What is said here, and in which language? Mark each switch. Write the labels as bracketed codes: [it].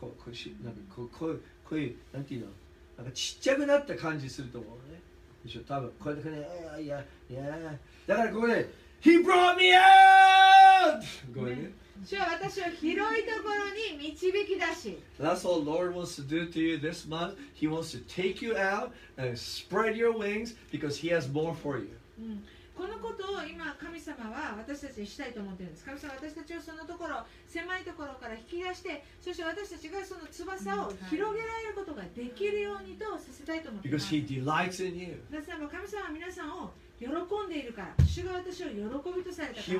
[ja] こういうなんていうの、なんかちっちゃくなった感じすると思うね。でしょ、多分これでこれ、ね、いやだからここで [en] He brought me out。 [ja] ごめんね。主は私を広いところに導き出し。 [en] That's all Lord wants to do to you this month. He wants to take you out and spread your wings because He has more for you.、 [ja] このことを今神様は私たちにしたいと思っているんです。神様は私たちをそのところ狭いところから引き出して、そして私たちがその翼を広げられることができるようにとさせたいと思っています。 [en] Because He delights in you. [ja] 神様は皆さんを喜んでいるから、主が私を喜びとされたから。